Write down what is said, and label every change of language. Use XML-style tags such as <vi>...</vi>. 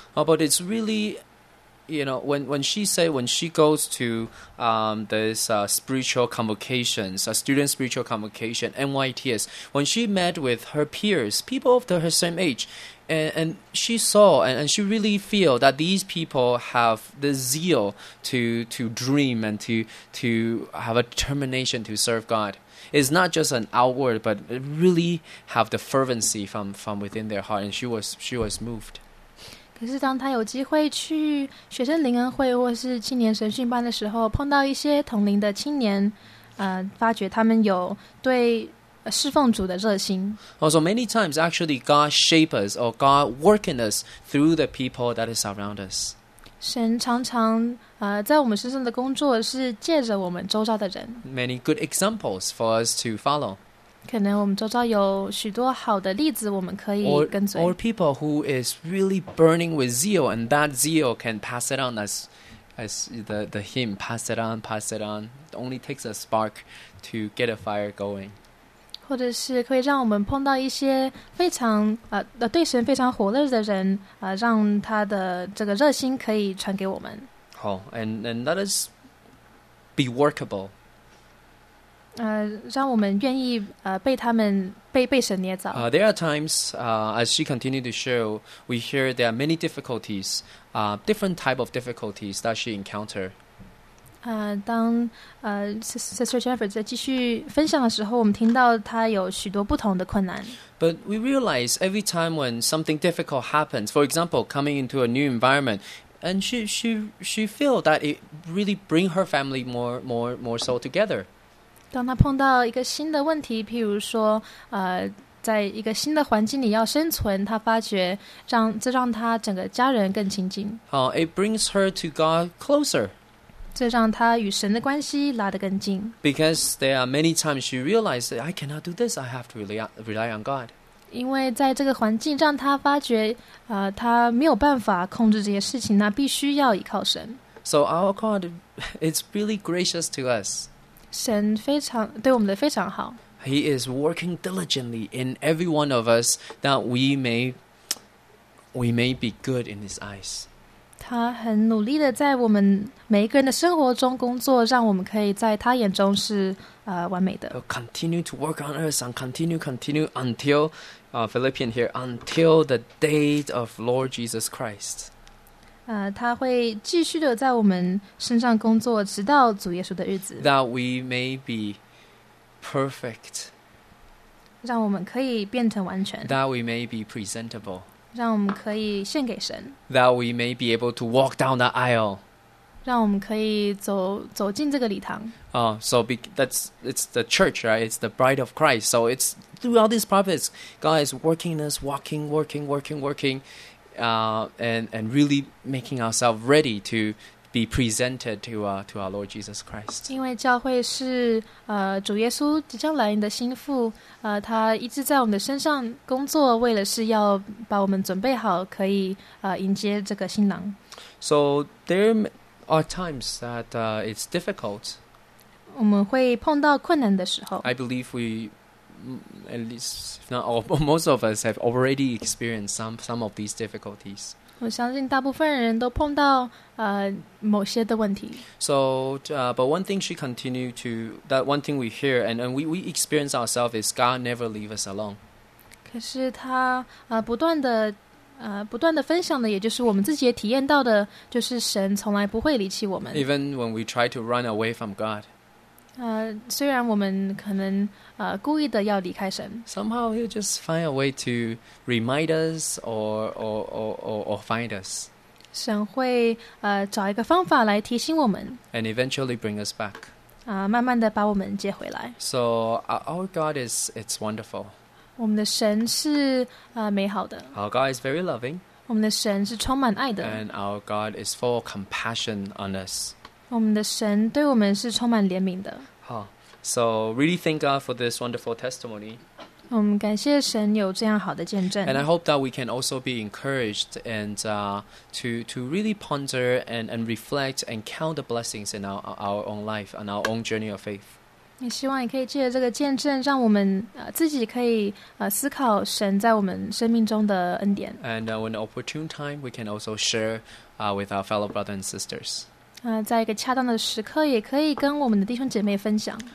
<en>But it's really, you know, when she goes to this spiritual convocations, a student spiritual convocation, NYTS, when she met with her peers, people of her same age, and she saw and she really feel that these people have the zeal to dream and to have a determination to serve God. It's not just an outward, but really have the fervency from within their heart, and she was moved.</en> <zh>可是当他有机会去学生灵恩会或是青年神训班的时候，碰到一些同龄的青年，发觉他们有对侍奉主的热心。</zh> <en>Also, many times actually God shapes us or God works in us through the people that is around us.</en> <zh>神常常在我们身上的工作是借着我们周遭的人。</zh> <en>Many good examples for us to follow.</en> <zh>可能我们周遭有许多好的例子，我们可以跟随。</zh> <en>Or people who is really burning with zeal, and that zeal can pass it on as the hymn, pass it on. It only takes a spark to get a fire going.</en> <zh>或者是可以让我们碰到一些非常对神非常火热的人，让他的这个热心可以传给我们。</zh> <en>好、and let us be workable.</en> <zh>让我们愿意被他们被神捏造。</zh> <en>There are times, as she continued to show, we hear there are many difficulties, different type of difficulties that she encounter.</en> <zh>当Sister Jennifer 在继续分享的时候，我们听到她有许多不同的困难。</zh> <en>But we realize every time when something difficult happens, for example, coming into a new environment. And she feel that it really bring her family more so together.</en> <zh>当她碰到一个新的问题，譬如说在一个新的环境里要生存，他发觉这让他整个家人更亲近。</zh> <en>It brings her to God closer.</en> <zh>这让他与神的关系拉得更近。</zh> <en>Because there are many times she realized that I cannot do this, I have to rely on God.</en> <zh>因为在这个环境让他发觉他没有办法控制这些事情，他必须要依靠神。</zh> <en>So our God is really gracious to us.</en> <zh>神非常对我们的非常好。</zh> <en>He is working diligently in every one of us that we may be good in His eyes.</en> <zh>他很努力的在我们每一个人的生活中工作，让我们可以在他眼中是完美的。</zh> <en>He'll continue to work on us and continue until Philippians here until the day of Lord Jesus Christ.</en> <zh>他会继续的在我们身上工作，直到主耶稣的日子。</zh> <en>That we may be. Perfect.</en> <zh>让我们可以变成完全。</zh> <en>That we may be presentable.</en> <zh>让我们可以献给神。</zh> <en>That we may be able to walk down the aisle.</en> <zh>让我们可以走进这个礼堂。</zh> <en>It's the church, right? It's the bride of Christ. So it's throughout these prophets, God is working us, working, and really making ourselves ready to. Be presented to our Lord Jesus Christ.</en> <zh>因为教会是主耶稣即将来临的心腹，他一直在我们的身上工作，为了是要把我们准备好，可以迎接这个新郎。</zh> <en>So there are times that it's difficult.</en> <zh>我们会碰到困难的时候。</zh> <en>I believe we, at least if not all, most of us have already experienced some of these difficulties.</en> <zh>我相信大部分人都碰到某些的问题。</zh> <en>So, but one thing she continued to that one thing we hear and we experience ourselves is God never leave us alone.</en> <zh>可是他不断的分享的，也就是我们自己也体验到的，就是神从来不会离弃我们。</zh> <en>Even when we try to run away from God.</en> <zh>虽然我们可能故意的要离开神</zh> <en>，somehow he'll just find a way to remind us or find us.</en> <zh>神会找一个方法来提醒我们</zh> <en>，and eventually bring us back.</en> <zh>慢慢的把我们接回来。</zh> <en>So our God is it's wonderful.</en> <zh>我们的神是美好的。</zh> <en>Our God is very loving.</en> <zh>我们的神是充满爱的。</zh> <en>And our God is full of compassion on us.</en> <zh>我们的神对我们是充满怜悯的。</zh> <en>好 ，So really thank God for this wonderful testimony.</en> <zh>我们感谢神有这样好的见证。</zh> <en>And I hope that we can also be encouraged and to really ponder and reflect and count the blessings in our own life and our own journey of faith.</en> <zh>也希望也可以借着这个见证，让我们自己可以思考神在我们生命中的恩典。</zh> <en>And when opportune time, we can also share with our fellow brothers and sisters.</en> <zh>在一个恰当的时刻也可以跟我们的弟兄姐妹分享。</zh>